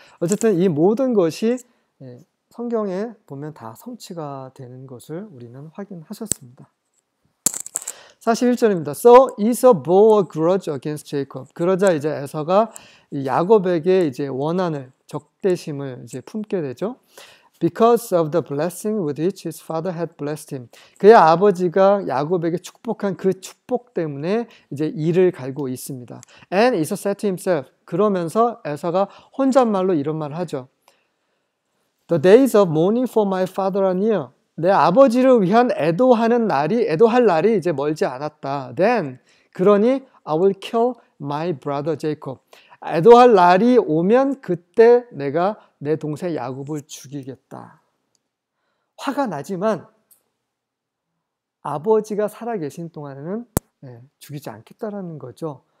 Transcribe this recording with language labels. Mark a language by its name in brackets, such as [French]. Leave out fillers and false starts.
[Korean] 어쨌든 이 모든 것이 성경에 보면 다 성취가 되는 것을 우리는 확인하셨습니다. 41절입니다. [English] So Esau bore a grudge against Jacob. [Korean] 그러자 이제 에서가 야곱에게 이제 원한을, 적대심을 이제 품게 되죠. [English] Because of the blessing with which his father had blessed him. [Korean] 그의 아버지가 야곱에게 축복한 그 축복 때문에 이제 이를 갈고 있습니다. [English] And Esau said to himself. [Korean] 그러면서 에서가 혼잣말로 이런 말을 하죠. [English] The days of mourning for my father are near. [Korean] 내 아버지를 위한 애도하는 날이, 애도할 날이 이제 멀지 않았다. [English] Then, [Korean] 그러니 [English] I will kill my brother Jacob. [Korean] 애도할 날이 오면 그때 내가 내 동생 야곱을 죽이겠다. 화가 나지만 아버지가 살아계신 동안에는 죽이지 않겠다라는 거죠.